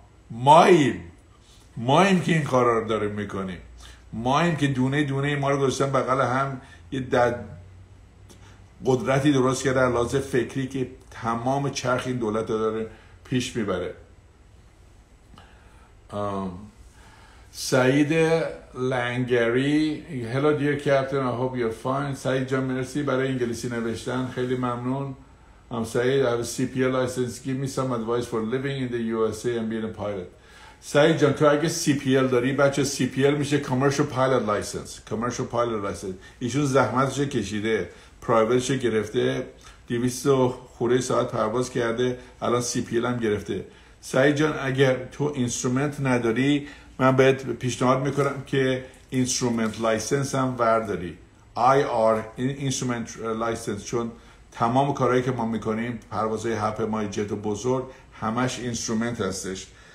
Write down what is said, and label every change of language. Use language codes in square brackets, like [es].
[fa] ما ایم که این کارا رو داریم میکنیم. ما ایم که دونه دونه ما رو گذاشتن بغل هم، یه قدرتی درست کردن لازم فکری که تمام چرخ این دولت رو داره پیش میبره. [en] Saeed Langari, Hello dear captain, I hope you're fine. [fa] سعید جان مرسی برای انگلیسی نوشتن، خیلی ممنون. [en] I'm Saeed, I have a CPL license. Give me some advice for living in the USA and being a pilot. [fa] سعید جان تو اگه CPL داری بچه، CPL میشه Commercial Pilot License. ایشون زحمتش کشیده، پرایویتش گرفته، 200 خورده ساعت پرواز کرده، الان CPL هم گرفته. سعید جان اگر تو اینسترومنت نداری، من بهت پیشنهاد میکنم که اینسترومنت لایسنس هم ورداری، IR اینسترومنت لایسنس، چون تمام کارهایی که ما میکنیم، پروازهای هپ ما، جت بزرگ، همش اینسترومنت هستش.